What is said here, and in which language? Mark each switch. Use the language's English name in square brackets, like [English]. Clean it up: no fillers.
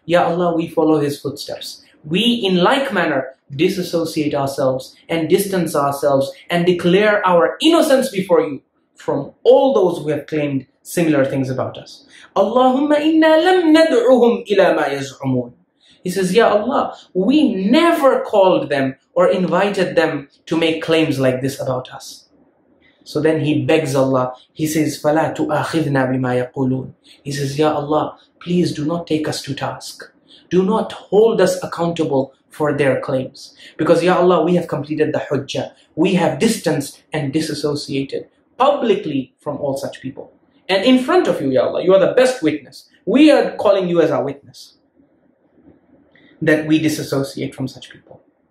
[English] Ya Allah, we follow his footsteps. We in like manner disassociate ourselves and distance ourselves and declare our innocence before you from all those who have claimed similar things about us. [Arabic] Allahumma inna lam nad'uhum ila ma yaz'umun. [English] He says, Ya Allah, we never called them or invited them to make claims like this about us. So then he begs Allah. He says, [Arabic] فَلَا تُؤَخِذْنَا بِمَا يَقُولُونَ. [English] He says, Ya Allah, please do not take us to task. Do not hold us accountable for their claims. Because Ya Allah, we have completed the hujjah. We have distanced and disassociated publicly from all such people. And in front of you, Ya Allah, you are the best witness. We are calling you as our witness that we disassociate from such people.